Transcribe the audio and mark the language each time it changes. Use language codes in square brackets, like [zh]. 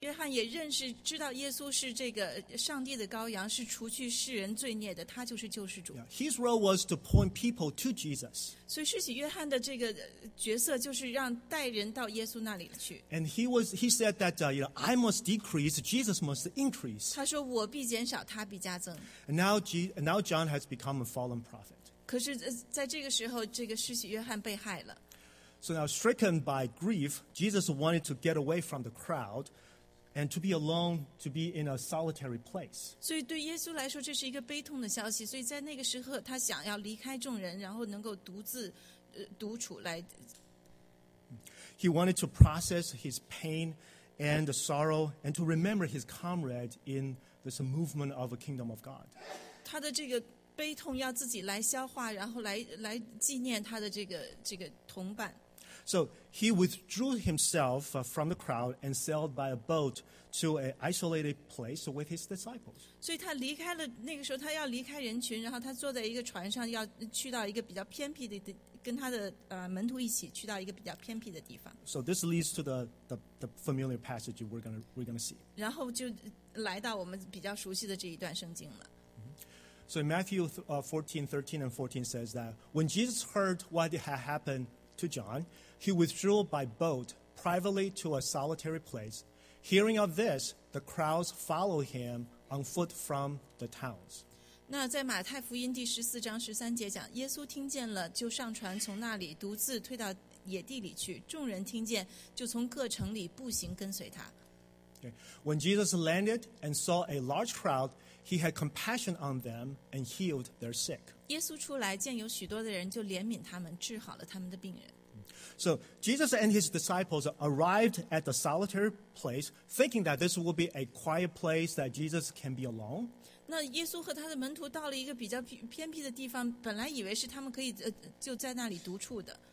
[zh] 约翰也认识知道耶稣是这个上帝的羔羊，是除去世人罪孽的，他就是救世主。 [en] Yeah, his role was to point people to Jesus. [zh] 所以施洗约翰的这个角色就是让带人到耶稣那里去。 [en] And he said that, you know, I must decrease, Jesus must increase. [zh] 他说我必减少，他必加增。 [en] And now John has become a fallen prophet. [zh] 可是在这个时候，这个施洗约翰被害了。 [en] So now stricken by grief, Jesus wanted to get away from the crowd. And to be alone, to be in a solitary place. [zh] 所以对耶稣来说，这是一个悲痛的消息。所以在那个时候，他想要离开众人，然后能够独自，独处来。 [en] He wanted to process his pain and the sorrow, and to remember his comrade in this movement of a kingdom of God. [zh] 他的这个悲痛要自己来消化，然后来纪念他的这个同伴。 [en] So he withdrew himself from the crowd and sailed by a boat to an isolated place with his disciples. [zh] 所以他离开了那个时候，他要离开人群，然后他坐在一个船上，要去到一个比较偏僻的，跟他的门徒一起去到一个比较偏僻的地方。 [en] So this leads to the familiar passage we're gonna see. [zh] 然后就来到我们比较熟悉的这一段圣经了。 [en] So in Matthew 14:13-14 says that when Jesus heard what had happened. To John, he withdrew by boat privately to a solitary place. Hearing of this, the crowds followed him on foot from the towns. [zh] 那在马太福音第十四章十三节讲，耶稣听见了，就上船从那里独自退到野地里去。众人听见，就从各城里步行跟随他。 [en] Okay. When Jesus landed and saw a large crowd, he had compassion on them and healed their sick. [zh] 耶稣出来，见有许多的人，就怜悯他们，治好了他们的病人。 [en] So Jesus and his disciples arrived at the solitary place, thinking that this will be a quiet place that Jesus can be alone. [zh] 那耶稣和他的门徒到了一个比较偏僻的地方，本来以为是他们可以就在那里独处的。